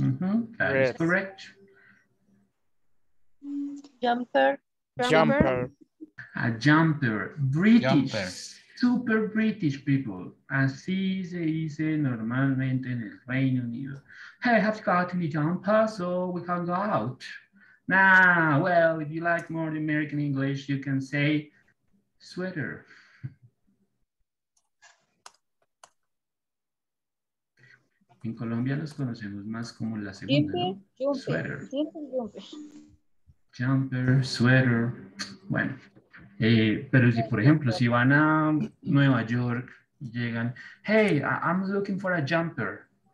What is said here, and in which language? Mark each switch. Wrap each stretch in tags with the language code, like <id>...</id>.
<en>Is correct. Jumper. A jumper. British. Jumper. Super British people.</en> <es>Así se dice normalmente en el Reino Unido.</es> <en>Hey, have you got any jumper so we can go out? Nah, well, if you like more American English, you can say sweater.</en> <es>En Colombia los conocemos más como la segunda,</es> <en>jumper, sweater.</en> <es>Bueno, pero si por ejemplo, si van a Nueva York y llegan,</es> <en>hey, I'm looking for a jumper.</en>